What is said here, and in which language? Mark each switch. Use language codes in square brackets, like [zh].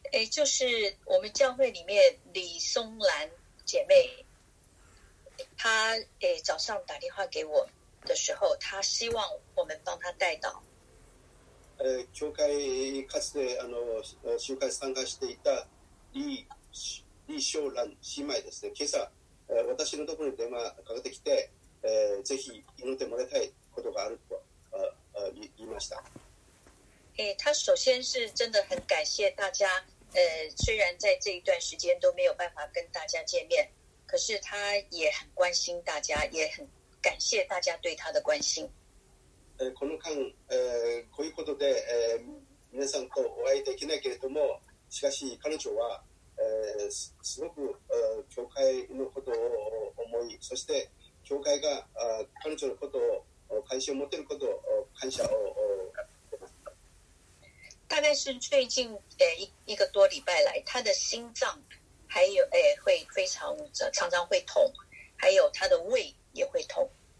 [zh] 就是我们教会里面李松兰姐妹，她早上打电话给我的时候，她希望我们帮她代祷。 [ja] 教会かつて集会参加していた李松兰姉妹ですね。今朝私のところに電話かかってきて、ぜひ祈ってもらいたいことがあると言いました。 [zh] 她首先是真的很感谢大家。虽然在这一段时间都没有办法跟大家见面，可是他也很关心大家，也很感谢大家对他的关心。 [ja] この間、こういうことで、皆さんとお会いできないけれども、しかし彼女は、すごく、教会のことを思い、そして教会が、彼女のことを関心を持っていることを感謝を。 [zh] 大概是最近一个多礼拜来，他的心脏还有会非常常常会痛，还有他的胃也会痛。